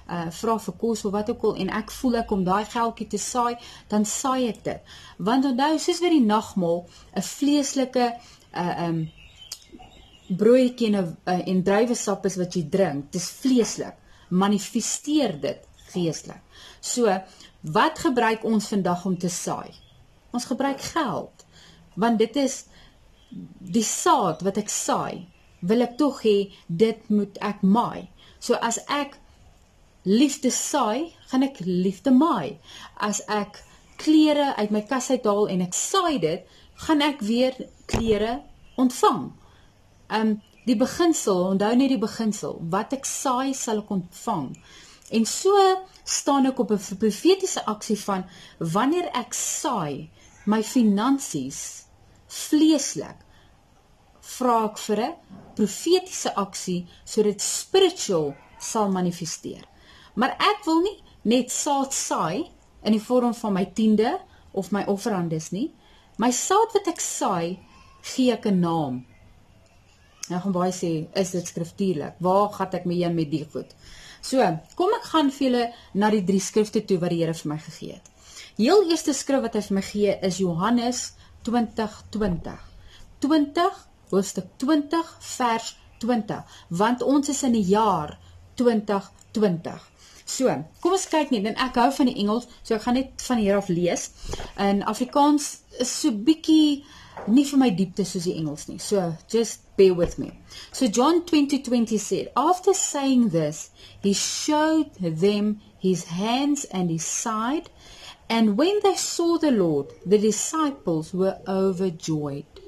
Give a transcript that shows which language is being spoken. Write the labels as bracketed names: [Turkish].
[Afrikaans] vra vir kos of wat ook al, en ek voel ek om daai geldjie te saai, dan saai ek dit, want onthou, soos vir die nagmaal, 'n vleeslike broodjie en druiwesap is wat jy drink, dis vleeslik, manifesteer dit geestelik. So, wat gebruik ons vandag om te saai? Ons gebruik geld, want dit is die saad wat ek saai, wil ek toch hê, dit moet ek maai. So as ek liefde saai, gaan ek liefde maai. As ek klere uit my kas uithaal en ek saai dit, gaan ek weer klere ontvang. Die beginsel, onthou nie die beginsel, wat ek saai sal ek ontvang. En so staan ek op 'n profetiese aksie van, wanneer ek saai my finansies, vleeslik, vra ek vir 'n profetiese aksie, so dat spiritual sal manifesteer. Maar ek wil nie net saad saai, in die vorm van my tiende, of my offerandes nie, my saad wat ek saai, gee ek 'n naam. Nou gaan baie sê, is dit skriftuurlik, waar gaat ek mee in met die goed? So, kom ek gaan vir julle na die 3 skrifte toe, wat die Here vir my gegee het. Heel eerste skrif wat hy vir my gee is Johannes 20:20. 20 hoofstuk 20 vers 20, want ons is in die jaar 2020. So, kom ons kyk net, en ek hou van die Engels, so ek gaan net van hier af lees. En Afrikaans is so bietjie nie vir my diepte soos die Engels nie. [English] So, just bear with me. So John 20:20 said, after saying this, he showed them his hands and his side, and when they saw the Lord, the disciples were overjoyed.